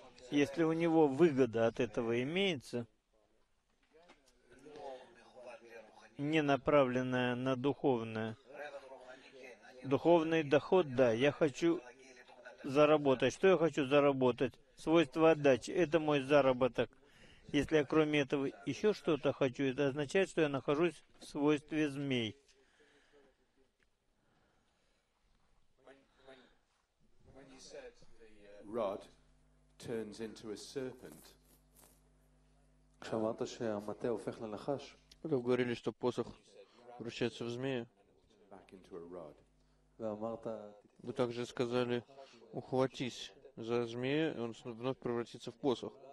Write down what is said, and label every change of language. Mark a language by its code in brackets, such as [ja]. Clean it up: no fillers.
[ru] Если у него выгода от этого имеется, не направленная на духовное, духовный доход, да, я хочу заработать. Что я хочу заработать? Свойство отдачи. Это мой заработок. Если я кроме этого еще что-то хочу, это означает, что я нахожусь в свойстве змей. [en] When you said the rod turns into a serpent. [ru] Когда ты сказал, что змея превращается в нахаш, вы говорили, что посох превращается в змея. Вы также сказали, ухватись за змея, и он вновь превратится в посох.